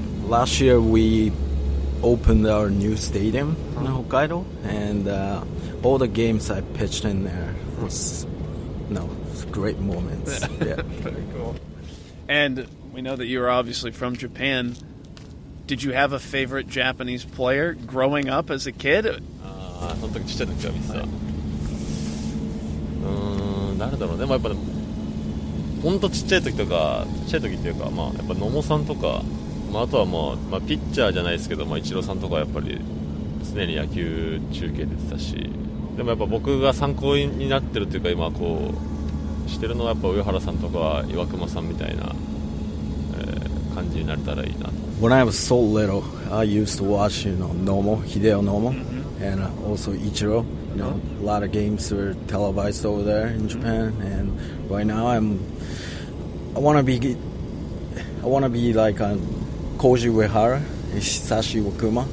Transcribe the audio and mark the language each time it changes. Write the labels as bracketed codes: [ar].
[en] Last year we opened our new stadium in Hokkaido, and all the games I pitched in there was, no, great moments. Yeah. Very cool. And we know that you are obviously from Japan. Did you have a favorite Japanese player growing up as a kid? [ja] ちっちゃい時とか、ちっちゃい時っていうか、まあ、やっぱ野茂さんとか、まあ、あとは、まあまあ、ピッチャーじゃないですけど、まあ、イチローさんとかはやっぱり常に野球中継出てたし、でもやっぱ僕が参考になってるというか今こうしてるのはやっぱ上原さんとか岩隈さんみたいな、感じになれたらいいなと。 [en] When I was so little, I used to watch you know, Nomo, Hideo Nomo、mm-hmm. and also Ichiro. You know, a lot of games were televised over there in Japan、mm-hmm. and right now I want to be like Koji Uehara, Hisashi Wakuma.